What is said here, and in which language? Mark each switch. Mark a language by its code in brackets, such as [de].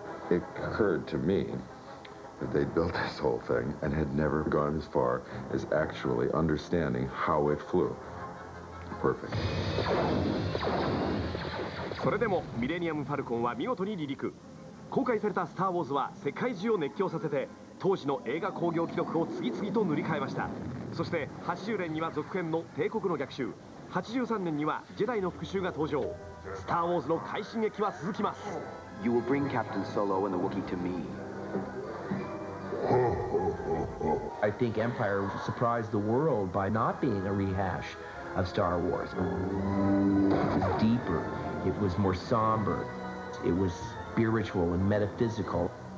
[en] It occurred to me that they'd built this whole thing and had never gone as far as actually understanding how it flew. Perfect. [ja] それでもミレニアムファルコンは見事に離陸。公開されたスターウォーズは世界中を熱狂させて、当時の映画興行記録を次々と塗り替えました。そして80年には続編の帝国の逆襲、83年にはジェダイの復讐が登場。スターウォーズの快進撃は続きます。 [en] You will bring Captain Solo and the Wookiee to me. I think Empire surprised the world by not being a rehash of Star Wars. It was deeper, it was more somber, it was spiritual and metaphysical.